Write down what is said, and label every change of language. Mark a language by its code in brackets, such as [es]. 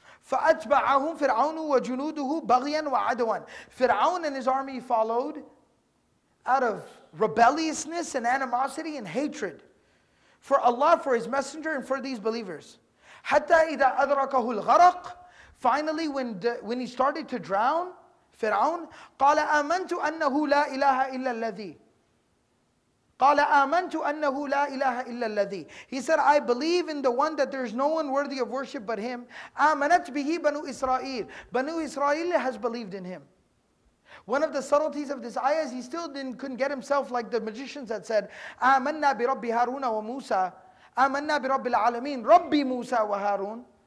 [ar] فَأَتْبَعَهُمْ فِرْعَوْنُ وَجُنُودُهُ بَغْيًا وَعَدْوًا [en] Fir'aun and his army followed out of rebelliousness and animosity and hatred for Allah, for his messenger, and for these believers. [ar] حتى إذا أدركه الغرق. [en] Finally, when he started to drown, Fir'aun, [ar] قال آمنت أنه لا إله إلا الذي. قال آمنت أنه لا إله إلا الذي. [en] He said, I believe in the one that there is no one worthy of worship but him. [ar] آمنت به بنو إسرائيل. [en] بنو إسرائيل has believed in him. One of the subtleties of this ayah is he still couldn't get himself like the magicians that said, [ar] آمنا برب هارون وموسى. آمنا برب العالمين. رب موسى وهارون.